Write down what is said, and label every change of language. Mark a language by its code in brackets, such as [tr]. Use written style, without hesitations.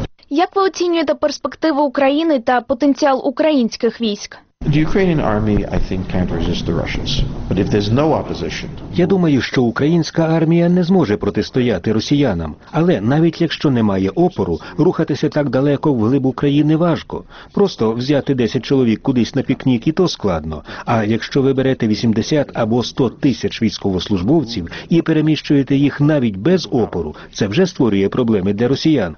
[uk] Як ви оцінюєте перспективи України та потенціал українських військ? [en] The Ukrainian army, I think, can't resist the Russians. But if there's no opposition. [uk] Я думаю, що українська армія не зможе протистояти росіянам. Але навіть якщо немає опору, рухатися так далеко вглиб України важко. Просто взяти 10 чоловік кудись на пікнік і то складно. А якщо ви берете 80 або 100 тисяч військовослужбовців і переміщуєте їх навіть без опору, це вже створює проблеми для росіян.